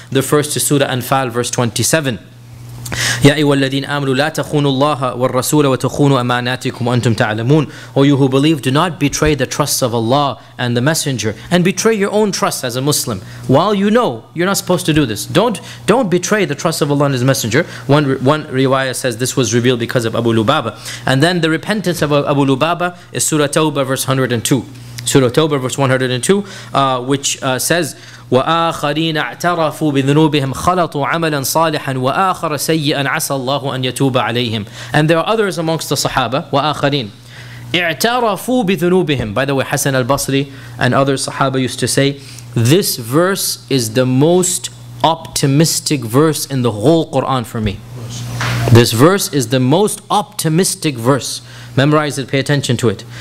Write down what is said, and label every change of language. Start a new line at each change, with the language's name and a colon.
English: The first is Surah Anfal, verse 27.
Arabic: يَا أَيُّهَا الَّذِينَ آمَنُوا لَا تَخُونُوا اللَّهَ وَالرَّسُولَ وَتَخُونُوا أَمَانَاتِكُمْ وَأَنْتُمْ تَعْلَمُونَ.
English: O you who believe, do not betray the trust of Allah and the Messenger, and betray your own trust as a Muslim. While you know, you're not supposed to do this. Don't betray the trust of Allah and His Messenger. One riwayah says this was revealed because of Abu Lubaba. And then the repentance of Abu Lubaba is Surah Tawbah, verse 102. Surah Tawbah, verse 102, which says,
Arabic: وَآخَرِينَ اَعْتَرَفُوا بِذْنُوبِهِمْ خَلَطُوا عَمَلًا صَالِحًا وَآخَرَ سَيِّئًا عَسَى اللَّهُ أَنْ يَتُوبَ عَلَيْهِمْ.
English: And there are others amongst the Sahaba,
Arabic: وَآخَرِينَ اَعْتَرَفُوا بِذْنُوبِهِمْ.
English: By the way, Hassan al-Basri and other Sahaba used to say, this verse is the most optimistic verse in the whole Quran for me. This verse is the most optimistic verse. Memorize it, pay attention to it.